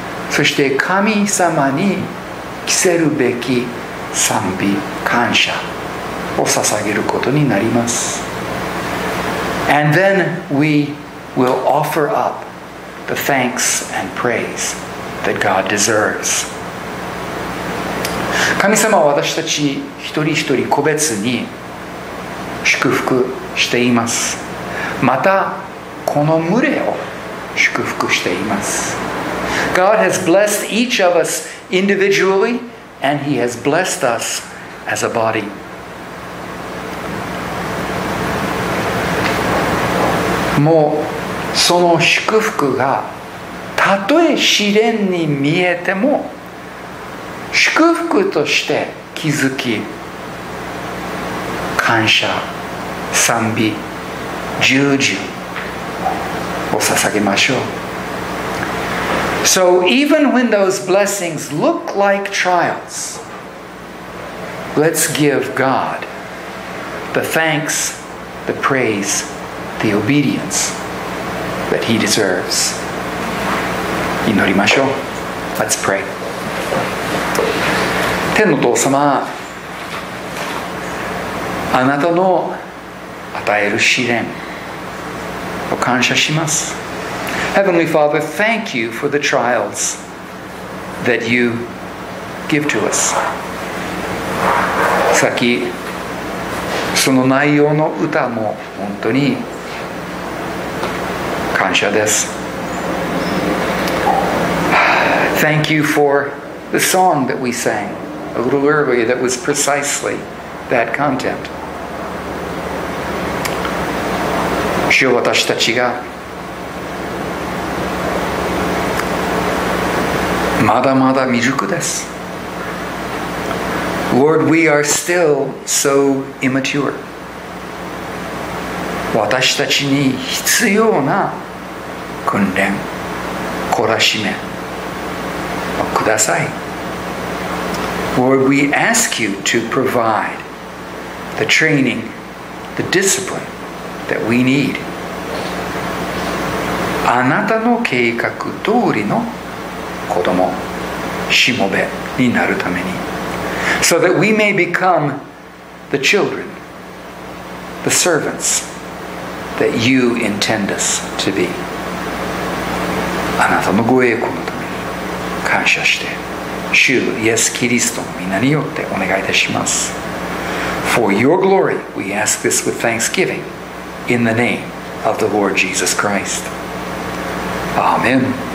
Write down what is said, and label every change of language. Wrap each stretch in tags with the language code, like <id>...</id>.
<ja>そして神様に着せるべき賛美、感謝を捧げることになります。</ja> <en>And then we will offer up the thanks and praise that God deserves.</en> <ja>神様は私たち一人一人個別に祝福しています。またこの群れを祝福しています。</ja> <en>God has blessed each of us individually and He has blessed us as a body.</en> <ja>もうその祝福がたとえ試練に見えても祝福として気づき、感謝、賛美、従順を捧げましょう。</ja> <en>So even when those blessings look like trials, let's give God the thanks, the praise, the obedience that He deserves.</en> <ja>祈りましょう。</ja> <en>Let's pray.</en> <ja>天のお父様、あなたの与える試練を感謝します。</ja> <en>Heavenly Father, thank you for the trials that you give to us.</en> <ja>さっきその内容の歌も本当に感謝です。</ja> <en>Thank you for the song that we sangA little earlier, that was precisely that content.</en> <ja>主よ、私たちがまだまだ未熟です。</ja> <en>Lord, we are still so immature.</en> <ja>私たちに必要な訓練、懲らしめをください。</ja> <en>Lord, we ask you to provide the training, the discipline that we need.</en> <ja>あなたの計画通りの子供、しもべになるために。</ja> <en>So that we may become the children, the servants that you intend us to be.</en> <ja>あなたのご栄光のために感謝して。主イエス・キリストの皆によってお願いいたします。</ja> <en>For your glory, we ask this with thanksgiving in the name of the Lord Jesus Christ. Amen.</en>